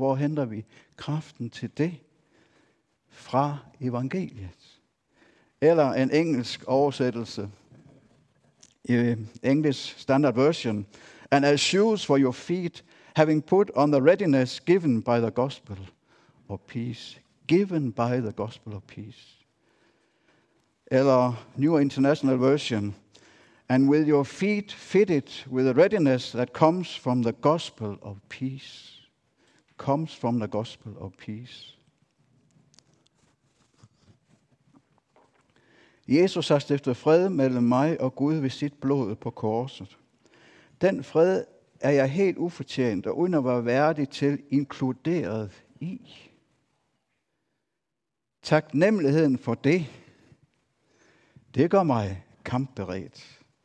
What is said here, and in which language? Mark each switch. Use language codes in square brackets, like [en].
[da] Hvor henter vi kraften til det? Fra evangeliet. Eller en engelsk oversættelse. I English Standard Version. [en] And as shoes for your feet, having put on the readiness given by the gospel of peace. Given by the gospel of peace. Eller New International Version, and with your feet fitted with the readiness that comes from the gospel of peace. Comes from the gospel of peace. [da] Jesus har stiftet fred mellem mig og Gud ved sit blod på korset. Den fred er jeg helt ufortjent og uden at være værdig til inkluderet i. Taknemmeligheden for det. Det gør mig kampberedt.